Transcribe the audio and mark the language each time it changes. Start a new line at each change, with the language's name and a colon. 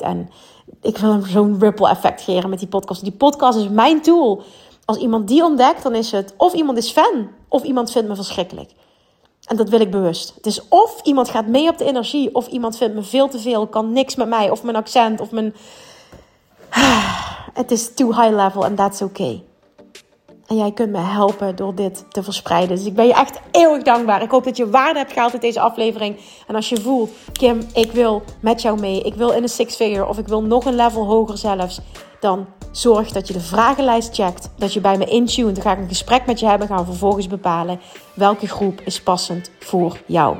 Dutch: En ik wil zo'n ripple effect creëren met die podcast. Die podcast is mijn tool. Als iemand die ontdekt, dan is het of iemand is fan, of iemand vindt me verschrikkelijk. En dat wil ik bewust. Het is of iemand gaat mee op de energie, of iemand vindt me veel te veel, kan niks met mij, of mijn accent, of mijn... Het is
English: too high level and that's okay.
Dutch: En jij kunt me helpen door dit te verspreiden. Dus ik ben je echt eeuwig dankbaar. Ik hoop dat je waarde hebt gehaald uit deze aflevering. En als je voelt, Kim, ik wil met jou mee. Ik wil in een six figure of ik wil nog een level hoger zelfs. Dan zorg dat je de vragenlijst checkt. Dat je bij me intuned. Dan ga ik een gesprek met je hebben. Gaan we vervolgens bepalen welke groep is passend voor jou.